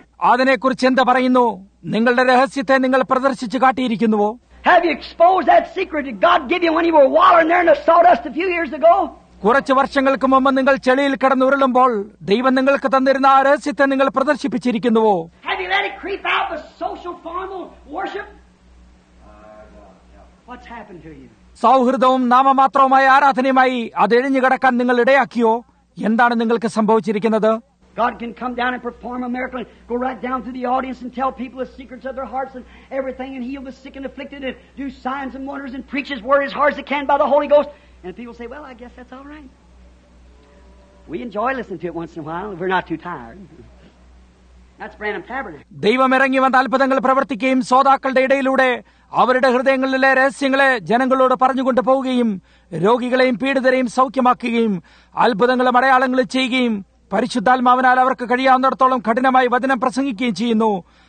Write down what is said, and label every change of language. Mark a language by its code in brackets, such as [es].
[ml] അതിനെക്കുറിച്ച് എന്ത് പറയുന്നു? നിങ്ങളുടെ രഹസ്യത്തെ നിങ്ങൾ പ്രദർശിച്ചു കാട്ടിയിരിക്കുന്നുവോ? [en] Have you exposed that secret that God gave you when you were wallowing there in the sawdust a few years ago? [ml] കുറച്ച് വർഷങ്ങൾക്ക് മുമ്പ് നിങ്ങൾ ചെളിയിൽ കിടന്നു ഉരുളുമ്പോൾ ദൈവം നിങ്ങൾക്ക് തന്നിരുന്ന ആ രഹസ്യത്തെ നിങ്ങൾ പ്രദർശിപ്പിച്ചിരിക്കുന്നുവോ? [en] Have you let it creep out the social formal worship? What's happened to you? [ml] സൗഹൃദവും നാമമാത്രവുമായ ആരാധനയുമായി അത് എഴിഞ്ഞു കിടക്കാൻ നിങ്ങൾ ഇടയാക്കിയോ? എന്താണ് നിങ്ങൾക്ക് സംഭവിച്ചിരിക്കുന്നത്? [en] God can come down and perform a miracle, go right down to the audience and tell people the secrets of their hearts and everything and heal the sick and afflicted and do signs and wonders and preach his word as hard as he can by the Holy Ghost. And people say, well, I guess that's all right. We enjoy listening to it once in a while if we're not too tired. That's Branham Tabernacle. [ml] ദൈവം ഇറങ്ങി വന്ന് അത്ഭുതങ്ങൾ പ്രവർത്തിക്കുകയും ശ്രോതാക്കളുടെ ഇടയിലൂടെ അവരുടെ ഹൃദയങ്ങളിലെ രഹസ്യങ്ങളെ ജനങ്ങളോട് പറഞ്ഞുകൊണ്ട് പോവുകയും രോഗികളെയും പീഡിതരെയും സൌഖ്യമാക്കുകയും അത്ഭുതങ്ങളും അടയാളങ്ങളും ചെയ്യുകയും പരിശുദ്ധാത്മാവിനാൽ അവർക്ക് കഴിയാവുന്നിടത്തോളം കഠിനമായി വചനം പ്രസംഗിക്കുകയും ചെയ്യുന്നു.